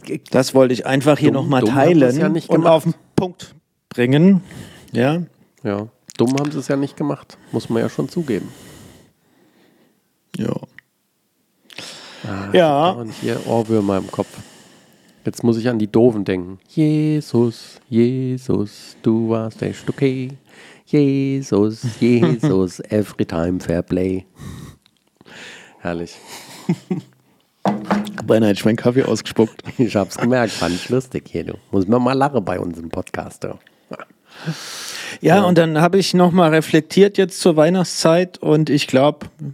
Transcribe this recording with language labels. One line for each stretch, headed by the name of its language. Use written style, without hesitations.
German: Das wollte ich einfach hier nochmal teilen und auf den Punkt bringen. Ja. Ja. Dumm haben sie es ja nicht gemacht. Muss man ja schon zugeben. Ja. Ah, ja. Und hier Ohrwürmer im Kopf. Jetzt muss ich an die Doofen denken. Jesus, Jesus, du warst echt okay.
English: Jesus, Jesus, every time fair play.
German: Herrlich. Beinahe hätte ich meinen Kaffee ausgespuckt. Ich hab's gemerkt, fand ich lustig hier, du. Muss man mal lachen bei unserem Podcast. Ja, und dann habe ich nochmal reflektiert jetzt zur Weihnachtszeit und ich glaube.